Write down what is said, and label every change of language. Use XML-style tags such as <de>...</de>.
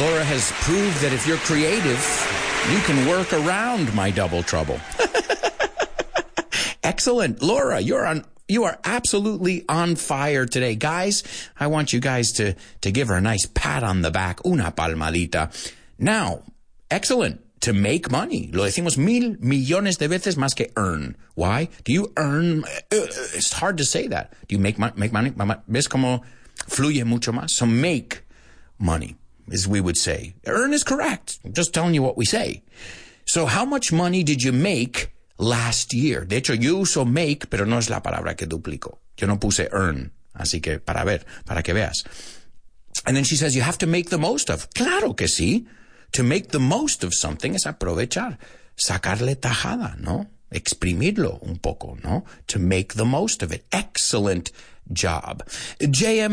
<en>Laura has proved that if you're creative, you can work around my double trouble. Excellent. Laura, you are absolutely on fire today. Guys, I want you guys to give her a nice pat on the back.</en> <es>Una palmadita.</es> <en>Now, excellent. To make money.</en> <es>Lo decimos mil millones de veces más que earn.</es> <en>Why? Do you earn? It's hard to say that. Do you make money?</en> <es>¿Ves cómo fluye mucho más?</es> <en>So make money, as we would say. Earn is correct. I'm just telling you what we say. So how much money did you make last year?</en> <es>De hecho, yo uso make, pero no es la palabra que duplico. Yo no puse earn. Así que para ver, para que veas.</es> <en>And then she says, you have to make the most of.</en> <es>Claro que sí.</es> <en>To make the most of something</en> <es>es aprovechar. Sacarle tajada, ¿no? Exprimirlo un poco, ¿no?</es> <en>To make the most of it. Excellent job. J.M.</en>